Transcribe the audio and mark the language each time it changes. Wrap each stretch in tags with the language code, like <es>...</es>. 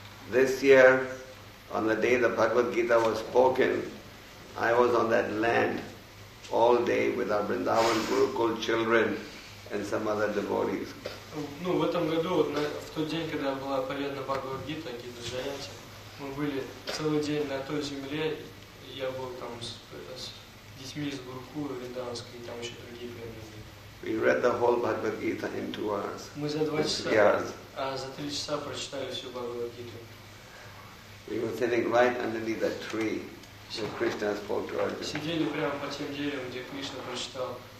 <en>This year, on the day the Bhagavad Gita was spoken, I was on that land all day with our Vrindavan Gurukul children and some other devotees.</en> <ru>Ну в этом году в тот день, когда была поведена Бхагавад Гита, Гита Джаянти, мы были целый день на той земле. Я был там с детьми из Гурукула Вриндаванской и там еще другие преданные.</ru> <en>We read the whole Bhagavad Gita in 2 hours.</en> <ru>Мы за 2 часа. А за 3 часа прочитали всю Бхагавад Гиту.</ru> <en>We were sitting right underneath that tree where Krishna spoke to Arjuna.</en> <ru>Сидели прямо под тем деревом, где Кришна прочитал.</ru>